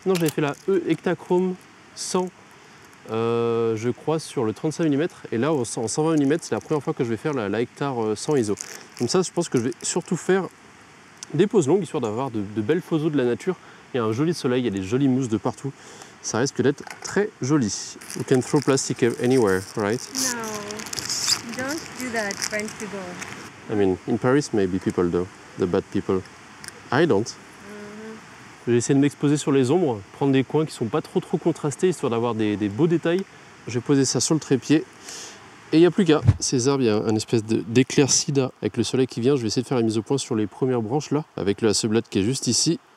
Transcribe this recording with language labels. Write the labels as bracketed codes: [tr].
[fr] Non, j'avais fait la E-Hectachrome 100. Je crois sur le 35 mm, et là en 120 mm, c'est la première fois que je vais faire la Hectare 100 ISO. Comme ça, je pense que je vais surtout faire des poses longues, histoire d'avoir de belles photos de la nature et un joli soleil. Il y a des jolies mousses de partout, ça risque d'être très joli. [en] You can throw plastic anywhere, right? No, don't do that, French people. I mean, in Paris, maybe people do, the bad people. I don't. [fr] J'ai essayé de m'exposer sur les ombres, prendre des coins qui sont pas trop contrastés, histoire d'avoir des beaux détails. Je vais poser ça sur le trépied. Et il n'y a plus qu'à. Ces arbres, il y a un espèce d'éclaircida avec le soleil qui vient. Je vais essayer de faire la mise au point sur les premières branches là, avec la seblade qui est juste ici.